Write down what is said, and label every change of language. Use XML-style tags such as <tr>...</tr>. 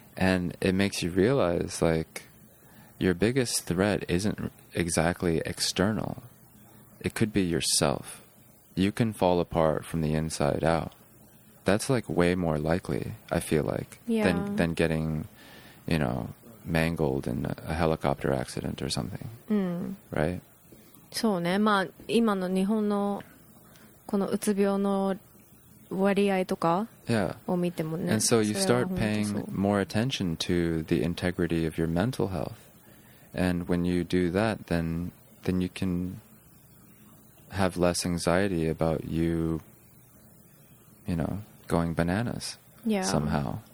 <en>And it makes you realize, like... Your biggest threat isn't exactly external. It could be yourself. You can fall apart from the inside out. That's like way more likely, I feel like, than getting, you know, mangled in a helicopter accident or something. Right?</en> <ja>そうね。まあ、今の日本のこのうつ病の割合とかを見てもね。</ja> <en>And so you start paying more attention to the integrity of your mental health. And when you do that, then you can have less anxiety about you know, going bananas somehow.</en>